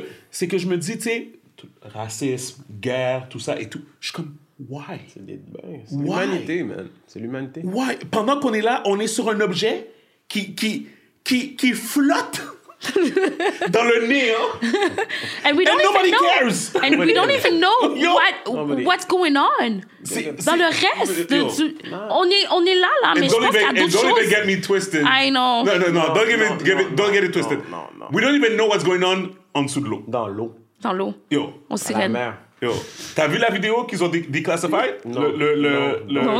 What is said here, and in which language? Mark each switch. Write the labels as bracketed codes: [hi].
[fr] C'est que je me dis, tu sais, racisme, guerre, tout ça et tout. Je suis comme... Why? C'est l'humanité, man. C'est l'humanité. [en] Why? [fr] Pendant qu'on est là, on est sur un objet qui flotte dans le néant. [en] And we don't and nobody even know. Cares. And we don't even know what's going on. [fr] Dans le reste, on est là, là, mais je pense qu'il y a d'autres choses. [en] Don't even get me twisted. I know. Don't get it twisted. No. We don't even know what's going on [fr] en dessous de l'eau. Dans l'eau. Dans l'eau. Yo. On s'irène. La mer. Yo, t'as vu la vidéo qu'ils ont déclassified? Non,